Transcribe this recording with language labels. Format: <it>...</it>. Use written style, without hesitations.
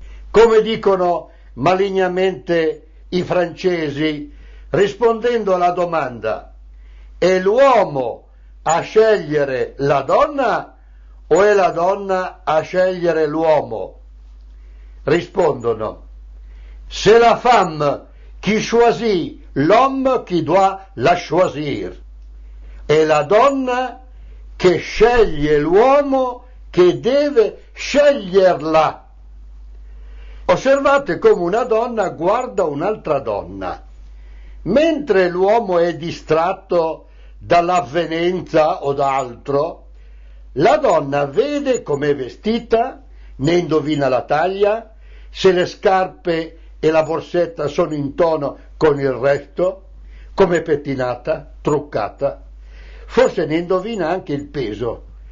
<it>Come dicono malignamente i francesi, rispondendo alla domanda: è l'uomo a scegliere la donna o è la donna a scegliere l'uomo?</it> <fr>Rispondono: se la femme qui choisit, l'homme qui doit la choisir.</fr> <it>È la donna che sceglie l'uomo che deve sceglierla. Osservate come una donna guarda un'altra donna. Mentre l'uomo è distratto dall'avvenenza o da altro, la donna vede com'è vestita, ne indovina la taglia, se le scarpe e la borsetta sono in tono con il resto, come pettinata, truccata, forse ne indovina anche il peso.</it>